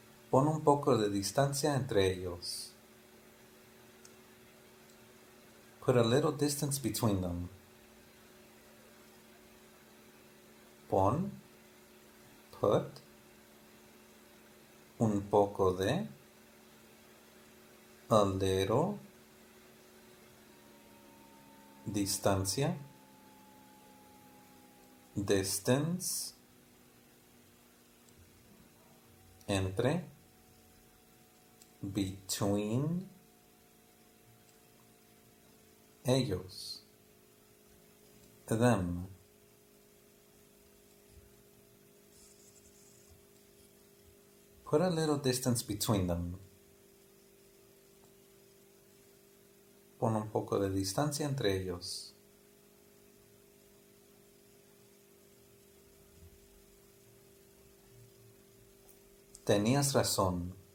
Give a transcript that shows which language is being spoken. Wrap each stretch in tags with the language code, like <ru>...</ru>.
<es>Pon un poco de distancia entre ellos.</es> <en>Put a little distance between them.</en> <es>Pon, put, un poco de, a little, distancia.</es> <en>Distance, entre, between, ellos, them. Put a little distance between them.</en> <es>Pon un poco de distancia entre ellos. Tenías razón.</es>